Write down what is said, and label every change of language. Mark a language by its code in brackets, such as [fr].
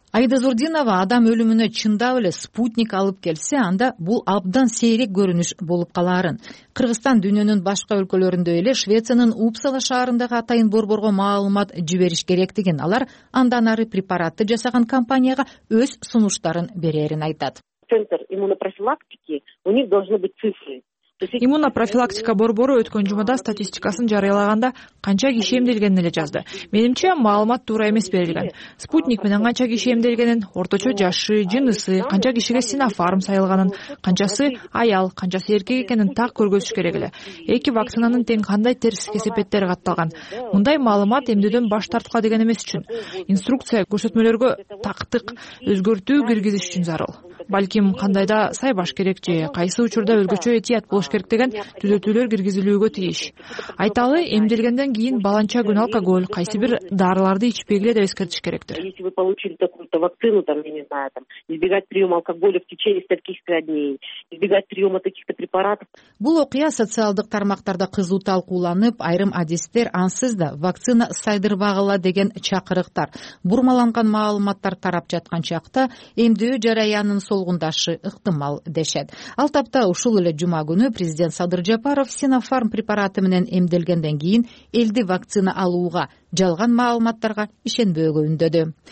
[ky] Аида Зурдинова адам өлүмүнө чындап эле спутник алып келсе, анда бул абдан сейрек көрүнүш болуп калаарын. Кыргызстан дүйнөнүн башка өлкөлөрүндө эле Швециянын Упсала шаарындагы атайын борборго маалымат жибериш керектигин, алар андан ары препаратты жасаган компанияга өз сунуштарын берерин айтат. [ru] Центр иммунопрофилактики, у них должны быть цифры. [ky] Иммунопрофилактика борбору өткөн жумада статистикасын жарыялаганда канча киши эмделгенин эле жазды. Менимче, маалымат туура эмес берилген. Спутник менен канча киши эмделгенин, орточо жашы, жынысы, канча кишиге Sinopharm сайылганын, канчасы аял, канчасы эркек экенин так көргөзүш керек эле. Эки вакцинанын тең кандай терс кесепеттери катталган. Мындай маалымат эмдөөдөн баш тартууга деген эмес үчүн. Инструкция, көрсөтмөлөргө тактык өзгөртүү киргизиш үчүн зарыл. Балким кандайда сайбаш керек же кайсы учурда өзгөчө этият болуш керек деген түзөтүүлөр киргизилүүгө тийиш. Айталы, эмделгенден кийин баланча күн алкоголь, кайсы бир дарыларды ичпегиле деп эскертиш керектир. [ru] Если вы получили такую-то вакцину, там, я не знаю, там, избегать приема алкоголя в течение стольких-то дней, избегать приема таких-то препаратов. [ky] Бул окуя социалдык тармактарда кызуу талкууланып, айрым адистер ансыз да вакцина сайдырбагыла деген чакырыктар, бурмаланган маалыматтар тарап жаткан чакта эмдөө жараянын солгундашы ыктымал дешет. Ал тапта ушул эле жума күнү президент Садыр Жапаров Sinopharm препараты менен эмделгенден кийин элди вакцина алууга, жалган маалыматтарга ишенбөөгө үндөдү.